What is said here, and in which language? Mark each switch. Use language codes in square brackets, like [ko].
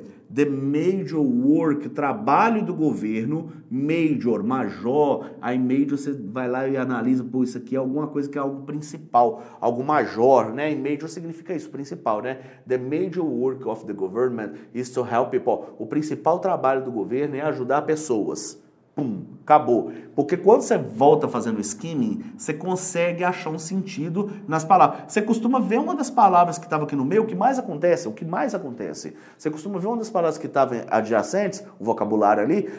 [en] The major work, [pt] trabalho do governo, major, aí major você vai lá e analisa, pô, isso aqui é alguma coisa que é algo principal, algo major, né? E major significa isso, principal, né? [en] The major work of the government is to help people. [pt] O principal trabalho do governo é ajudar pessoas. Pum, acabou. Porque quando você volta fazendo skimming, você consegue achar um sentido nas palavras. Você costuma ver uma das palavras que estava aqui no meio, o que mais acontece? Você costuma ver uma das palavras que estava adjacentes, o vocabulário ali.